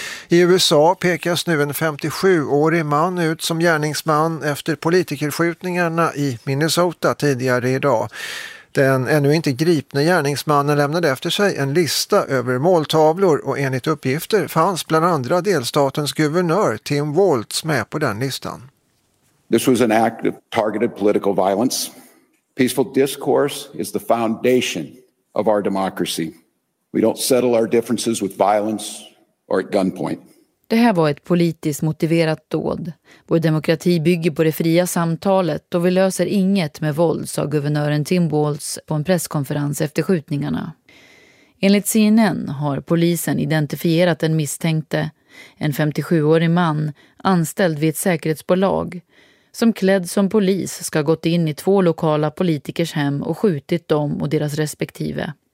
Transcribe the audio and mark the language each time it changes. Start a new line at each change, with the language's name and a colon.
Swedish: I USA pekas nu en 57-årig man ut som gärningsman efter politikerskjutningarna i Minnesota tidigare idag. Den ännu inte gripna gärningsmannen lämnade efter sig en lista över måltavlor och enligt uppgifter fanns bland andra delstatens guvernör Tim Walz med på den listan.
English: This was an act of targeted political violence. Peaceful discourse is the foundation of our democracy. We don't settle our differences with violence or at gunpoint.
Swedish: Det här var ett politiskt motiverat dåd. Vår demokrati bygger på det fria samtalet och vi löser inget med våld, sa guvernören Tim Walz på en presskonferens efter skjutningarna. Enligt CNN har polisen identifierat en misstänkte, en 57-årig man anställd vid ett säkerhetsbolag som klädd som polis ska gått in i två lokala politikers hem och skjutit dem och deras respektive.